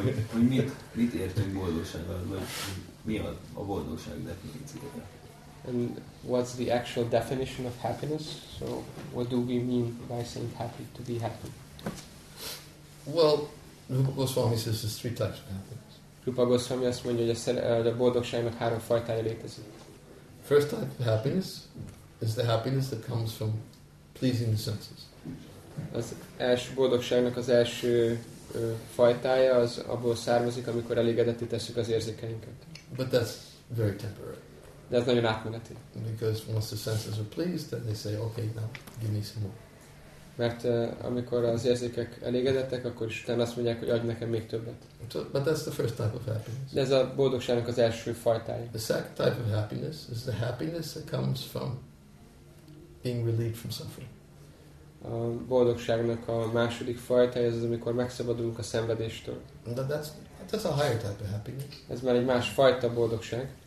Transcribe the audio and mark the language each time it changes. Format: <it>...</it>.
<hu>hogy mit értünk boldogsággal, vagy mi a boldogság definíciója?</hu> <en>And what's the actual definition of happiness? So what do we mean by saying happy, to be happy? Well, Rupa Goswami says there's three types of happiness.</en> <hu>Rupa Goswami azt mondja, hogy a boldogságnak három fajtája létezik.</hu> <en>First type of happiness is the happiness that comes from pleasing the senses.</en> <hu>Az első boldogságnak az első fajtája az abból származik, amikor elégedetté tesszük az érzékeinket.</hu> <en>But that's very temporary.</en> <hu>De ez nagyon átmeneti.</hu> <en>Because once the senses are pleased, then they say, okay, now give me some more.</en> <hu>Mert amikor az érzékek elégedettek, akkor is utána azt mondják, hogy adj nekem még többet.</hu> <en>But that's the first type of happiness.</en> <hu>De ez a boldogságnak az első fajtája.</hu> <en>The second type of happiness is the happiness that comes from being relieved from suffering.</en> <hu>A boldogságnak a második fajta ez az, amikor megszabadulunk a szenvedéstől.</hu> <en>That's a higher type of happiness.</en> <hu>Ez már egy más fajta boldogság.</hu>